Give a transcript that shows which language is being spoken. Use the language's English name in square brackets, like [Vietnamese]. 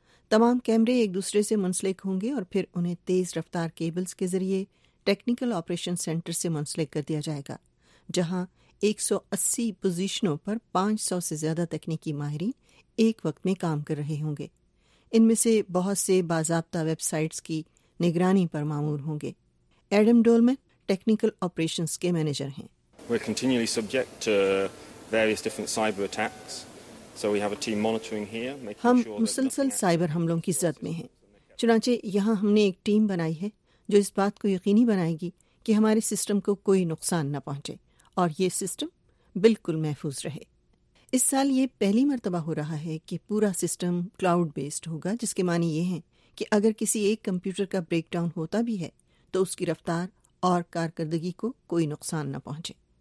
[Urdu] تمام کیمرے ایک دوسرے سے منسلک ہوں گے اور پھر انہیں تیز رفتار کیبلز کے ذریعے ٹیکنیکل آپریشن سینٹر سے منسلک کر دیا جائے گا جہاں 180 پوزیشنوں پر 500 سے زیادہ تکنیکی ماہرین ایک وقت میں کام کر رہے ہوں گے. ان میں سے بہت سے باضابطہ ویب سائٹس کی نگرانی پر معمور ہوں گے. ایڈم ڈولمن ٹیکنیکل آپریشنز کے مینیجر ہیں. [English] We're continually subject to various different cyber attacks. So we have a team monitoring here, making [Urdu] ہم مسلسل سائبر حملوں کی زد میں ہیں. چنانچہ یہاں ہم نے ایک ٹیم بنائی ہے جو اس بات کو یقینی بنائے گی کہ ہمارے سسٹم کو کوئی نقصان نہ پہنچے اور یہ سسٹم بالکل محفوظ رہے. اس سال یہ پہلی مرتبہ ہو رہا ہے کہ پورا سسٹم کلاؤڈ بیسڈ ہوگا، جس کے معنی یہ ہیں کہ اگر کسی ایک کمپیوٹر کا بریک ڈاؤن ہوتا بھی ہے تو اس کی رفتار اور کارکردگی کو کوئی نقصان نہ پہنچے.